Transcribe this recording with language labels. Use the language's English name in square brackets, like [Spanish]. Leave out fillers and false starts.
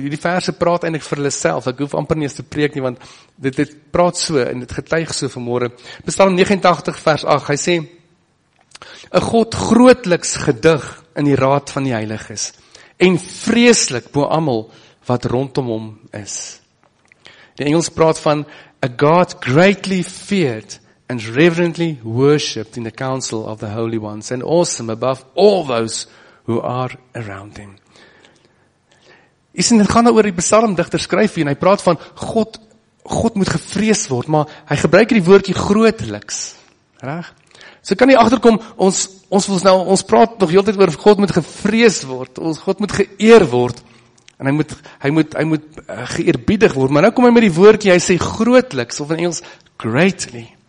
[Afrikaans] Hierdie verse praat eintlik vir hulle self. Ek hoef amper nie eens te preek nie, want dit praat so en dit getuig so vanmôre. Psalm 89 vers 8, hy sê, 'n God grootliks gedig in die raad van die heiliges en vreeslik bo almal wat rondom hom is. Die Engels praat van, [English] 'a God greatly feared and reverently worshipped in the council of the holy ones, and awesome above all those who are around him. [Afrikaans] Dit gaan oor die psalmdigter skryf hier, en hy praat van God moet gevrees word, maar hy gebruik die woordjie grootliks. Reg? So kan jy agterkom, ons praat nog heeltyd oor God moet gevrees word, God moet geëer word, en hy moet geëerbiedig word, maar nou kom hy met die woordjie, hy sê grootliks, of in Engels, greatly.